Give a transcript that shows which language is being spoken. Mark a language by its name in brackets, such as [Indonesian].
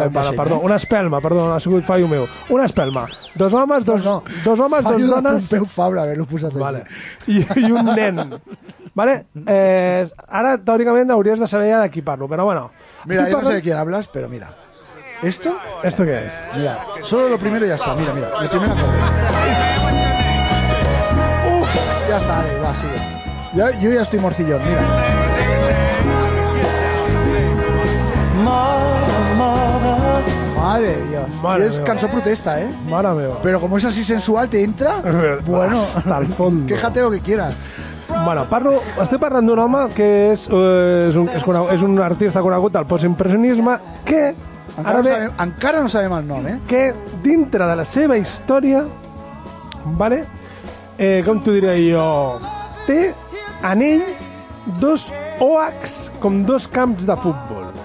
[Catalan] de vela, perdó, una espelma, perdó, ha sigut fallo meu. Una espelma. Dos homes, dos homes, dos dones... Fallo de Pompeu Fabra, haver-lo posat aquí. Vale. I un nen. Vale? Ara, teòricament, hauries de saber ja de qui parlo, però bueno. Mira, jo no sé de qui hables, però mira. [Spanish] ¿Esto? ¿Esto qué es? Mira, solo lo primero y ya está. Mira, mira, lo primero. Uf, ya está, ahí, va, sigue. Yo ya estoy morcillón, mira. Mamá, Madre de Dios. Madre y es meva. [Catalan] Cançó protesta, [Spanish] ¿eh? [Catalan] Mare meva. [Spanish] Pero como es así sensual, te entra... Bueno, hasta el fondo. Quéjate lo que quieras. [Catalan] Bueno, parlo, estoy parlant d'un home que és, és un artista conegut del postimpressionisme que... Encara, ve, no sabem, encara no sabem el nom, eh? Que dintre de la seva història, vale, com t'ho diré jo, té en ell dos oacs com dos camps de futbol.